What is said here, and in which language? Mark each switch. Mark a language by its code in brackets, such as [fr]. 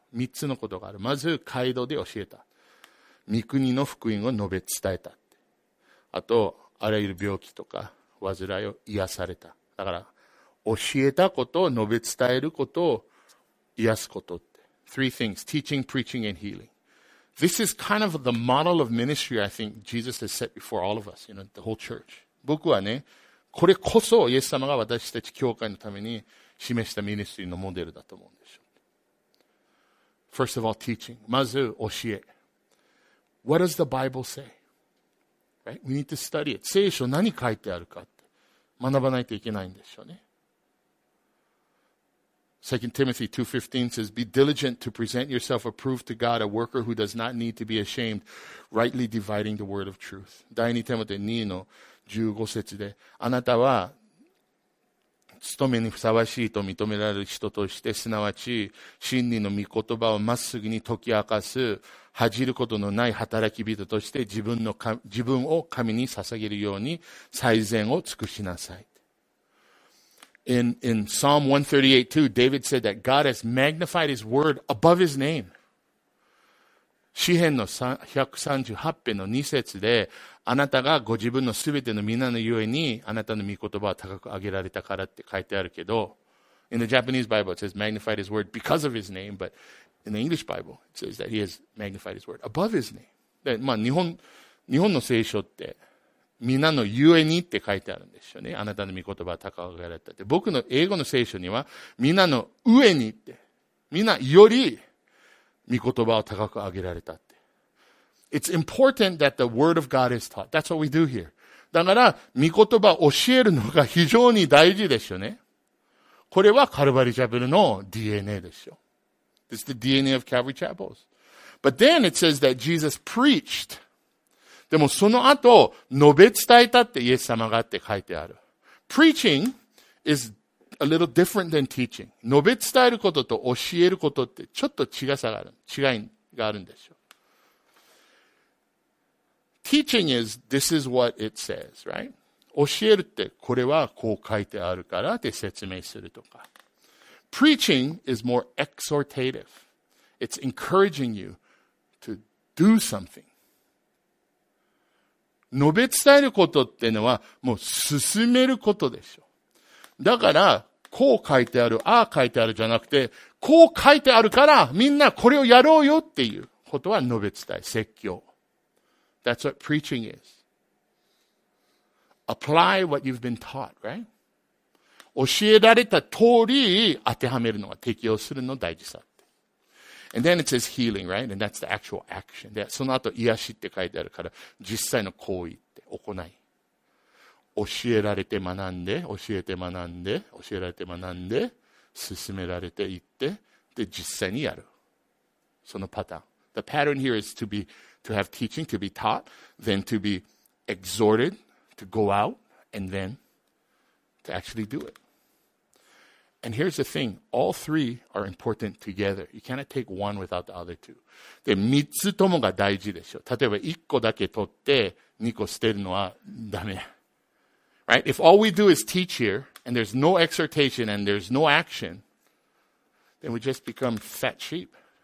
[ja] 三つのことがある。まず、街道で教えた。御国の福音を述べ伝えたって。あと、あらゆる病気とか、患いを癒された。だから、教えたことを述べ伝えることを癒すことって。 [en] Three things. Teaching, preaching, and healing. This is kind of the model of ministry I think Jesus has set before all of us, you know, the whole church. [ja] 僕はね、これこそ、イエス様が私たち教会のために示したミニストリーのモデルだと思うんですよ。 [en] First of all, teaching. [ja] まず教え。 [en] What does the Bible say? Right? We need to study it. [ja] 聖書何書いてあるかって学ばないといけないんでしょうね。 [en] 2 Timothy 2:15 says, Be diligent to present yourself approved to God, a worker who does not need to be ashamed, rightly dividing the word of truth. [ja] 第2テモテ2の15節で、あなたは務めにふさわしいと認められる人として、すなわち、真理の御言葉をまっすぐに解き明かす、恥じることのない働き人として自分を神に捧げるように最善を尽くしなさい。 [en] In Psalm 138:2, David said that God has magnified his word above his name. [ja] 詩編の138編の2節で、あなたがご自分のすべての皆のゆえに、あなたの御言葉は高く上げられたからって書いてあるけど、 [en] In the Japanese Bible it says magnified his word because of his name, but in the English Bible it says that he has magnified his word above his name. [ja] で、まあ、日本の聖書って、皆のゆえにって書いてあるんですよね。あなたの御言葉は高く上げられたって。僕の英語の聖書には、皆の上にって、皆より、御言葉を高く上げられたって。 [en] It's important that the word of God is taught. That's what we do here. [ja] だから、御言葉を教えるのが非常に大事ですよね。これはカルバリチャペルの DNA ですよ。 [en] It's the DNA of Calvary Chapels. But then it says that Jesus preached. [ja] でもその後、述べ伝えたってイエス様がって書いてある。 [en] Preaching is a little different than teaching. [ja] 述べ伝えることと教えることってちょっと違いがあるんですよ。 [en] Teaching is, this is what it says, right? [ja] 教えるってこれはこう書いてあるからって説明するとか。 [en] Preaching is more exhortative. It's encouraging you to do something. [ja] 述べ伝えることってのはもう進めることでしょ。だから、こう書いてある、ああ書いてあるじゃなくて、こう書いてあるから、みんなこれをやろうよっていうことは述べ伝え、説教。 [en] That's what preaching is. Apply what you've been taught, right? [ja] 教えられた通り当てはめるのが適用するの大事さって。 [en] And then it says healing, right? And that's the actual action. [ja] で、その後癒しって書いてあるから、実際の行為って行い。教えられて学んで、教えて学んで、教えられて学んで、進められていって、で、実際にやる。そのパターン。 [en] The pattern here is to have teaching, to be taught, then to be exhorted, to go out, and then to actually do it. And here's the thing. All three are important together. You cannot take one without the other two. [ja] で、三つともが大事でしょ。例えば、一個だけ取って、二個捨てるのはダメ。 [en] Right? If all we do is teach here, and there's no exhortation, and there's no action, then we just become fat sheep.